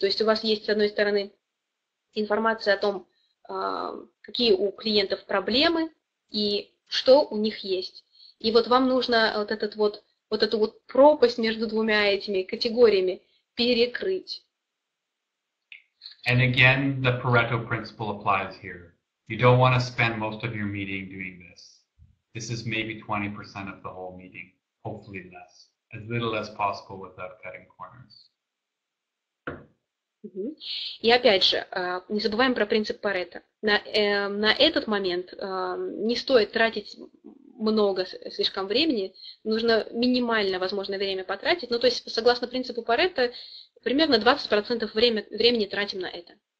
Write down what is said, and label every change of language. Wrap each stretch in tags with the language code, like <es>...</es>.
<ru>То есть у вас есть, с одной стороны, информация о том, какие у клиентов проблемы и что у них есть. И вот вам нужно вот эту пропасть между двумя этими категориями перекрыть.</ru> <en>And again, the Pareto principle applies here. You don't want to spend most of your meeting doing this. This is maybe 20% of the whole meeting, hopefully less. As little as possible without cutting corners.</en> <ru>И опять же, не забываем про принцип Парето. На этот момент не стоит тратить много слишком времени, нужно минимально возможное время потратить. Ну, то есть, согласно принципу Парето, примерно 20% времени тратим на это.</ru>